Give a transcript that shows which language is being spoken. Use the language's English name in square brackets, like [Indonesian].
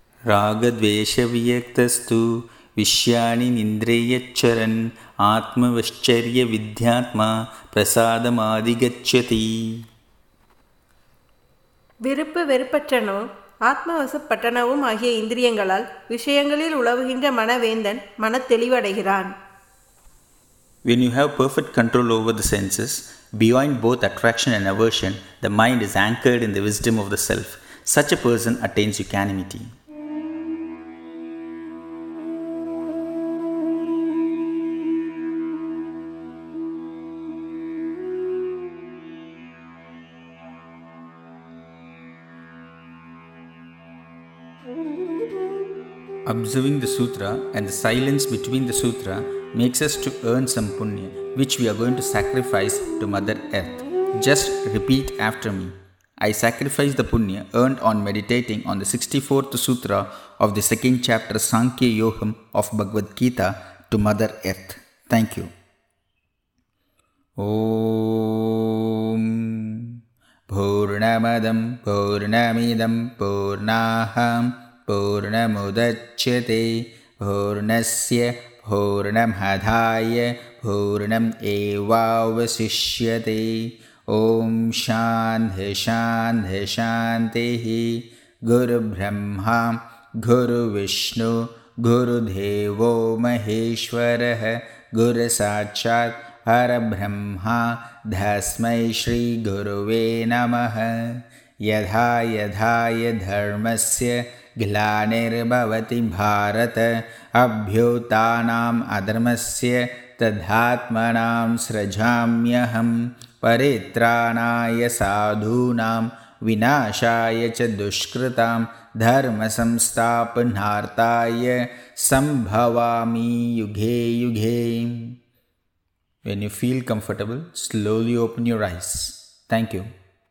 [Sanskrit] ராகத்வேஷவியக்தஸ்து விஷ்யாணி நிந்திரையச்சரன் ஆத்மவச்சரிய வித்யாத்மா பிரசாதமாதிகச்சதி. [Tamil] விருப்பு வெறுப்பற்றனும் ஆத்மவசப்பட்டனவும் ஆகிய இந்திரியங்களால் விஷயங்களில் உழவுகின்ற மனவேந்தன் மனத்தெளிவடைகிறான். [English] When you have perfect control over the senses, beyond both attraction and aversion, the mind is anchored in the wisdom of the self. Such a person attains equanimity. Observing the sutra and the silence between the sutra makes us to earn some punya, which we are going to sacrifice to Mother Earth. Just repeat after me. I sacrifice the punya earned on meditating on the 64th sutra of the second chapter Sankhya Yogam of Bhagavad Gita to Mother Earth. Thank you. [Sanskrit] Om Purnamadam Purnamidam Purnaham பூர்ணமுதச்யதே பூர்ணஸ்ய பூர்ணமாதாய பூர்ணம் ஏவாவசிஷ்யதே. ஓம் சாந்தி சாந்தி சாந்திஹி. குரு பிரம்மா குரு விஷ்ணு குரு தேவோ மகேஸ்வரஹ குரு சாட்சாத் பரப்ரஹ்மா தஸ்மை ஸ்ரீ குருவே நமஹ. யதாயதாய தர்மஸ்ய கிளானிர்பவதி பாரத அப்யுதானாம் அதர்மஸ்ய ததாத்மனாம் ஸ்ரஜாம்யஹம். பரித்ராணாய சாதூனாம் விநாசாய ச துஷ்கிருதாம் தர்ம சம்ஸ்தாபனார்த்தாய சம்பவாமி UK UK. [English] When you feel comfortable, slowly open your eyes. Thank you.